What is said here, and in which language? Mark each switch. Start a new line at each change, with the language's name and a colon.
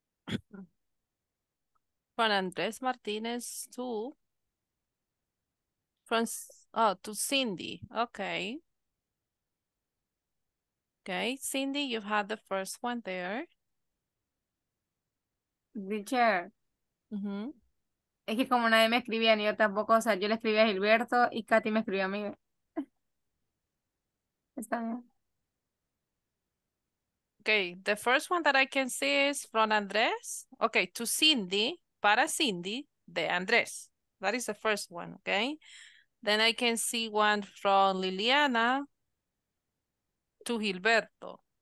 English: From Andres Martinez to to Cindy. Okay. Okay, Cindy, you had the first one there. The chair. Mm-hmm.
Spanish: Es que como nadie me escribía ni yo tampoco, o sea, yo le escribí a Gilberto y Katy me escribió a mí. Está bien.
English: Okay, the first one that I can see is from Andres. Okay, to Cindy,
Spanish: para Cindy, de Andres.
English: That is the first one, okay? Then I can see one from Liliana to Gilberto.